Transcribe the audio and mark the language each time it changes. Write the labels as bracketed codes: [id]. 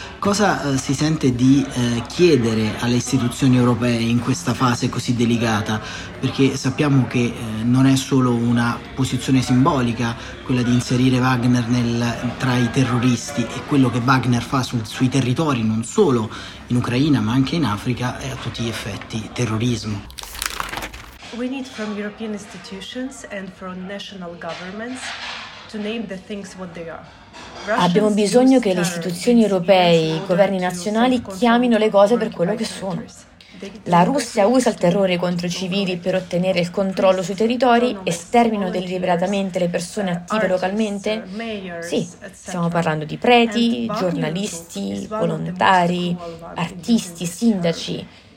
[it] Cosa si sente di chiedere alle istituzioni europee in questa fase così delicata? Perché sappiamo che non è solo una posizione simbolica quella di inserire Wagner tra i terroristi, e quello che Wagner fa sui territori, non solo in Ucraina ma anche in Africa, è a tutti gli effetti terrorismo. [en] We need from European institutions and from national governments to name the things what they are. [it] Abbiamo bisogno che le istituzioni europee, i governi nazionali, chiamino le cose per quello che sono. La Russia usa il terrore contro i civili per ottenere il controllo sui territori, esterminano deliberatamente le persone attive localmente? Sì, stiamo parlando di preti, giornalisti, volontari, artisti, sindaci.